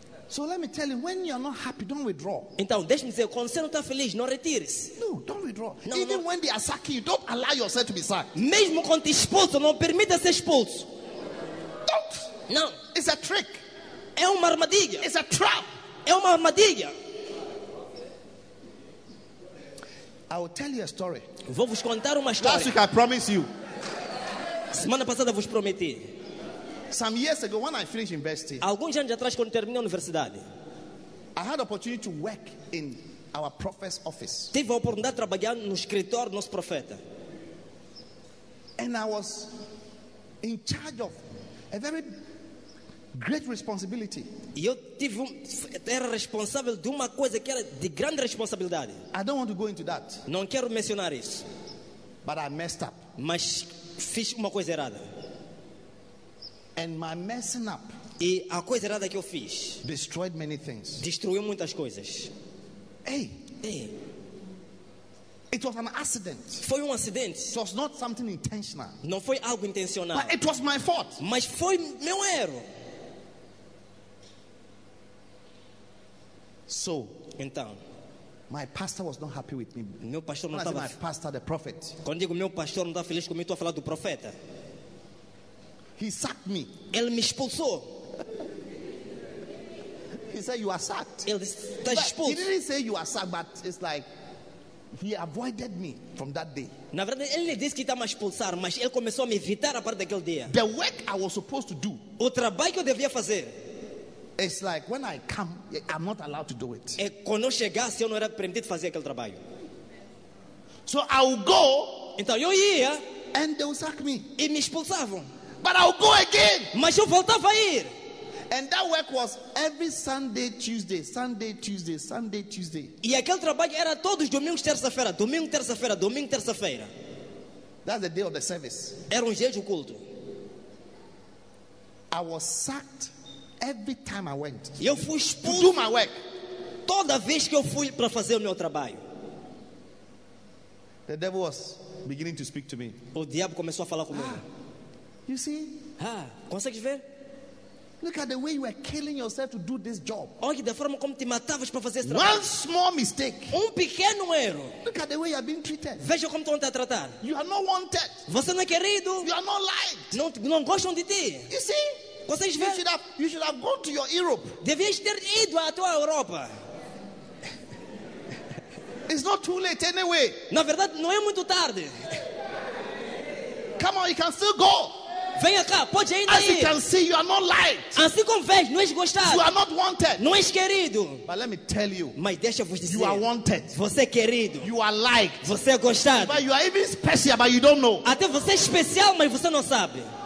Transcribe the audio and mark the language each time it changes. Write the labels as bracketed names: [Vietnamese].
[English] So let me tell you, when you are not happy, don't withdraw. [Portuguese] Então, deixe-me dizer, quando você não está feliz, não retire-se. [English] No, don't withdraw. No, even no. When they are sacking you, don't allow yourself to be sacked. [Portuguese] Mesmo quando te expulsam, não permita ser expulso. [English] Don't. No. It's a trick. [Portuguese] É uma armadilha. [English] It's a trap. [Portuguese] É uma armadilha. [English] I will tell you a story. [Portuguese] Vou vos contar uma história. [English] Last week I promised you. [Portuguese] Semana passada vos prometi. [English] Some years ago, when I finished university, [Portuguese] alguns anos atrás, quando terminei a universidade, [English] I had the opportunity to work in our prophet's office. [Portuguese] Tive a oportunidade de trabalhar no escritório do nosso profeta. [English] And I was in charge of a very great responsibility. [Portuguese] E eu era responsável de uma coisa que era de grande responsabilidade. [English] I don't want to go into that. [Portuguese] Não quero mencionar isso. [English] But I messed up. [Portuguese] Mas fiz uma coisa errada. [English] And my messing up, [Portuguese] e a coisa errada que eu fiz, [English] destroyed many things. [Portuguese] Destruiu muitas coisas. Hey, hey. [English] It was an accident. [Portuguese] Foi acidente. [English] It was not something intentional. [Portuguese] Não foi algo intencional. [English] But it was my fault. [Portuguese] Mas foi meu erro. [English] So, [Portuguese] então, [English] my pastor was not happy with me. [Portuguese] Meu pastor não estava. [English] My pastor, the prophet. [Portuguese] Quando digo meu pastor não está feliz comigo, estou a falar do profeta. [English] He sacked me. [Portuguese] Ele me expulsou. [English] He said, "You are sacked." [Portuguese] Ele está expulso. [English] He didn't say you are sacked, but it's like he avoided me from that day. [Portuguese] Na verdade, ele lhe disse que estava a expulsar, mas ele começou a me evitar a partir daquele dia. [English] The work I was supposed to do. [Portuguese] O trabalho que eu devia fazer. [English] It's like when I come, I'm not allowed to do it. [Portuguese] É quando eu chegasse, eu não era permitido fazer aquele trabalho. [English] So I'll go. [Portuguese] Então eu ia. [English] And they will sack me. [Portuguese] E me expulsavam. [English] But I'll go again. [Portuguese] Mas eu voltava a ir. [English] And that work was every Sunday, Tuesday, Sunday, Tuesday, Sunday, Tuesday. [Portuguese] E aquele trabalho era todos domingos, terça-feira, domingo, terça-feira, domingo, terça-feira. [English] That's the day of the service. [Portuguese] Era um dia de culto. [English] I was sacked every time I went. [Portuguese] Eu fui expulso. [English] To do my work. [Portuguese] Toda vez que eu fui para fazer o meu trabalho. [English] The devil was beginning to speak to me. [Portuguese] O diabo começou a falar comigo. [English] You see? [Portuguese] Ah, consegues ver? [English] Look at the way you are killing yourself to do this job. [Portuguese] Olha da forma como te matavas para fazer esse trabalho. [English] One small mistake. [Portuguese] Pequeno erro. [English] Look at the way you are being treated. [Portuguese] Veja como estão a tratar. [English] You are not wanted. [Portuguese] Você não é querido. [English] You are not liked. [Portuguese] Não gostam de ti. [English] You see? [Portuguese] Consegues ver? [English] You should have gone to your Europe. [Portuguese] Devias ter ido à tua Europa. [English] It's not too late anyway. [Portuguese] Na verdade, não é muito tarde. [English] Come on, you can still go. [Portuguese] Venha cá, pode ainda ir. [English] As you can see, you are not liked. [Portuguese] Assim como vês, não és gostado. [English] You are not wanted. [Portuguese] Não és querido. [English] But let me tell you. [Portuguese] Mas deixa-vos dizer. [English] You are wanted. [Portuguese] Você é querido. [English] You are liked. [Portuguese] Você é gostado. [English] But you are even special, but you don't know. [Portuguese] Até você é especial, mas você não sabe.